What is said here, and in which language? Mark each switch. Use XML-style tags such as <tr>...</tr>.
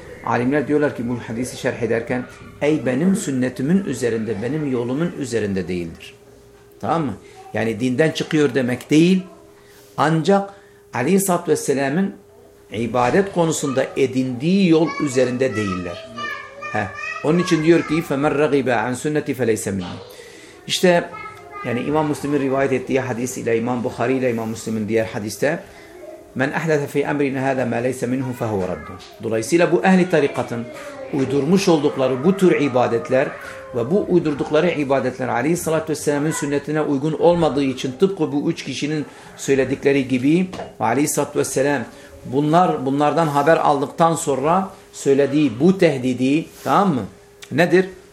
<tr>Alimler diyorlar ki bu hadisi şerh ederken, ey benim sünnetimin üzerinde, benim yolumun üzerinde değildir. Tamam mı? Yani dinden çıkıyor demek değil. Ancak Aleyhisselatü Vesselam'ın ibadet konusunda edindiği yol üzerinde değiller. Onun için diyor ki</tr> <ar>فَمَنْ رَغِبَ عَنْ سُنَّةِ فَلَيْسَ مِنْ.</ar> <tr>İşte yani İmam Müslim'in rivayet ettiği hadis ile İmam Bukhari ile İmam Müslim'in diğer hadiste</tr> <ar>مَنْ اَحْدَثَ فِي أَمْرِنَ هَذَا مَا لَيْسَ مِنْهُ فَهُوَ رَدُّ.</ar> <tr>Dolayısıyla bu ehli tarikatın uydurmuş oldukları bu tür ibadetler ve bu uydurdukları ibadetler Aleyhisselatü Vesselam'ın sünnetine uygun olmadığı için tıpkı bu üç kişinin söyledikleri gibi Aleyhisselatü Vesselam bunlardan haber aldıktan sonra söylediği bu tehdidi, tamam mı? Nedir?</tr>